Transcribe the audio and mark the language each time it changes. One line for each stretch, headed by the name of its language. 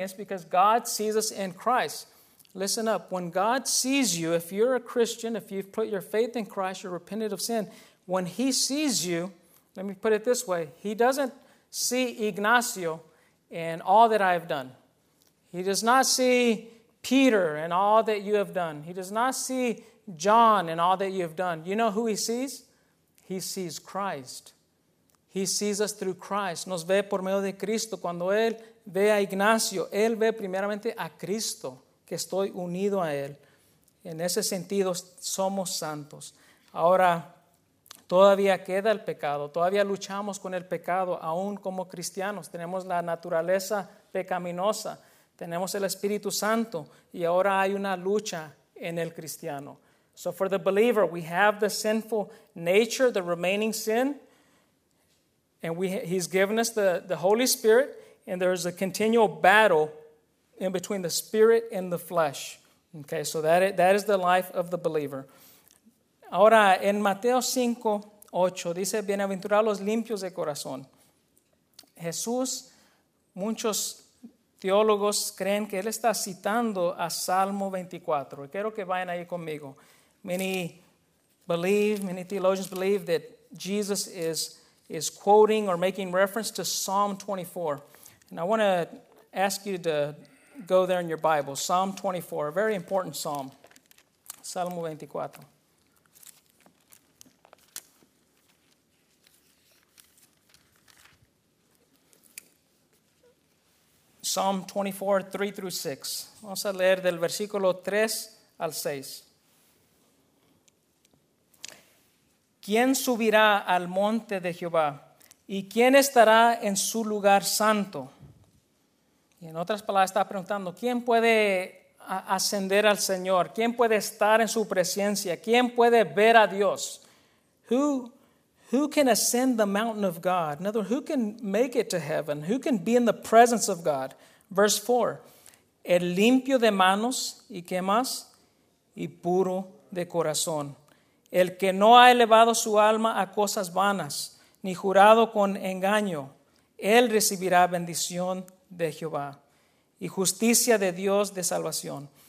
English: It's because God sees us in Christ. Listen up, when God sees you, if you're a Christian, if you've put your faith in Christ, you're repentant of sin, when he sees you, let me put it this way, he doesn't see Ignacio and all that I've done. He does not see Peter and all that you have done. He does not see John and all that you have done. You know who he sees? He sees Christ. He sees us through Christ.
Spanish: Nos ve por medio de Cristo. Cuando él ve a Ignacio, él ve primeramente a Cristo, que estoy unido a él. En ese sentido, somos santos. Ahora, todavía queda el pecado. Todavía luchamos con el pecado, aún como cristianos. Tenemos la naturaleza pecaminosa. Tenemos el Espíritu Santo. Y ahora hay una lucha en el cristiano.
English: So for the believer, we have the sinful nature, the remaining sin. And he's given us the Holy Spirit. And there's a continual battle in between the spirit and the flesh. Okay, so that is the life of the believer.
Spanish: Ahora, en Mateo 5:8 dice, bienaventurados los limpios de corazón. Jesús, muchos teólogos creen que él está citando a Salmo 24. Y quiero que vayan ahí conmigo.
English: Many theologians believe that Jesus is quoting or making reference to Psalm 24. And I want to ask you to go there in your Bible. Psalm 24, a very important psalm.
Spanish: Salmo 24.
English: Psalm 24, 3 through 6.
Spanish: Vamos a leer del versículo 3 al 6. ¿Quién subirá al monte de Jehová? ¿Y quién estará en su lugar santo? Y en otras palabras, está preguntando, ¿quién puede ascender al Señor? ¿Quién puede estar en su presencia? ¿Quién puede ver a Dios?
English: Who can ascend the mountain of God? In other words, who can make it to heaven? Who can be in the presence of God? Verse 4,
Spanish: el limpio de manos, ¿y qué más? Y puro de corazón. El que no ha elevado su alma a cosas vanas, ni jurado con engaño, él recibirá bendición de Jehová y justicia de Dios de salvación.